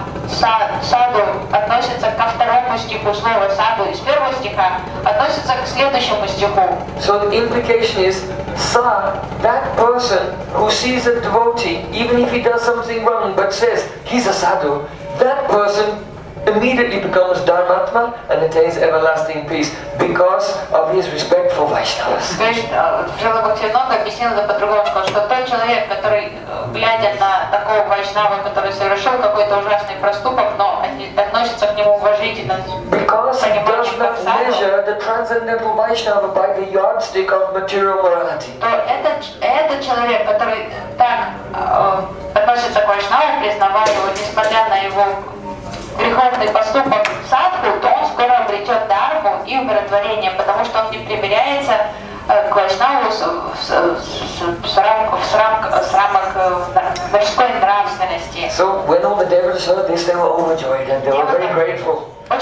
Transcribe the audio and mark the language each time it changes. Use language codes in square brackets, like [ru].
[ru] Саду относится ко второму стиху, слово саду из первого стиха относится к следующему стиху. [en] So the implication is, sa, that person who sees a devotee, even if he does something wrong, but says he's a sadhu, that person immediately becomes dharmatma and attains everlasting peace because of his respect for Vaishnavas. [ru] Srila Bhaktivinoda объяснил это по-другому, что тот человек, который, глядя на такого Вайшнава, который совершил какой-то ужасный проступок, но относится к нему уважительно, [en] because he does not measure the transcendental Vaishnava by the yardstick of material morality. [ru] То этот человек, который так относится к Вайшнаву, признавая его, несмотря на его греховный поступок в садху, то он скоро обретет дарму и умиротворение, потому что он не примиряется к Вайшнаву в срамах мирской нравственности. [en] So when all the devotees heard this, they were overjoyed and they were very grateful.